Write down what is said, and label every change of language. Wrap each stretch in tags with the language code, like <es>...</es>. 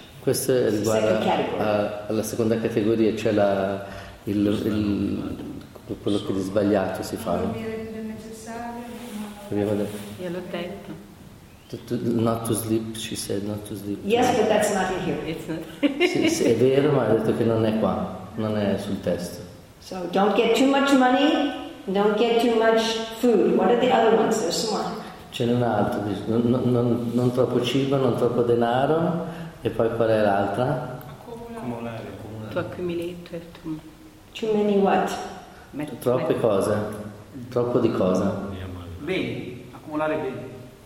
<it>Questo riguarda alla seconda categoria, cioè quello che di sbagliato si fa. Non necessario, ma... Io l'ho detto.</it> <en>Not to sleep, she said, not to sleep. Yes, but that's not in here. It's not.</en> <it>Sì, è vero, ma ha detto che non è qua, non è sul testo.</it> <en>So, don't get too much money, don't get too much food. What are the other ones? There's one.</en> <it>Ce n'è un altro, non troppo cibo, non troppo denaro, e poi qual è l'altra? Accumulare.</it> <en>To accumulate. Too many what?</en> <it>Troppe cose. Troppo di cosa? Bene, accumulare bene.</it>